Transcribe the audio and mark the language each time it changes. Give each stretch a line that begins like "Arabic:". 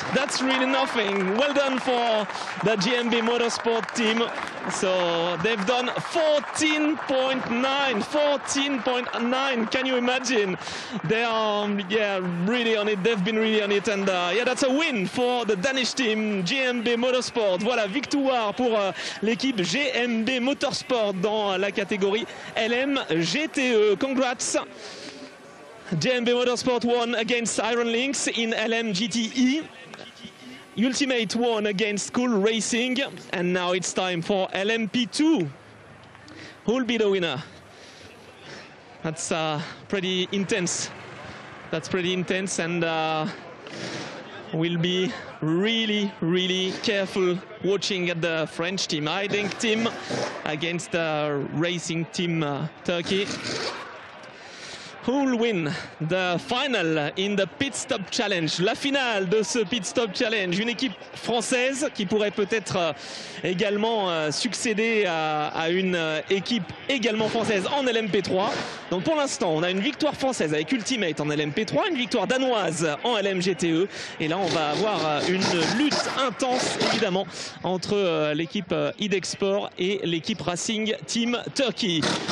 English: That's really nothing. Well done for the GMB Motorsport team. So they've done 14.9. Can you imagine? They are really on it. They've been really on it. And that's a win for the Danish team, GMB Motorsport.
French: Voilà, victoire pour l'équipe GMB Motorsport dans la catégorie LMGTE.
English: Congrats. GMB Motorsport won against Iron Lynx in LMGTE. Ultimate won against Cool Racing. And now it's time for LMP2. Who'll be the winner? That's pretty intense. That's pretty intense. And we'll be really careful watching at the French team. I think team against the racing team Turkey. Who'll win the final in the pit stop challenge?
French: La finale de ce pit stop challenge. Une équipe française qui pourrait peut-être également succéder à une équipe également française en LMP3. Donc pour l'instant, on a une victoire française avec Ultimate en LMP3, une victoire danoise en LMGTE. Et là, on va avoir une lutte intense, évidemment, entre l'équipe IDEXport et l'équipe Racing Team Turkey.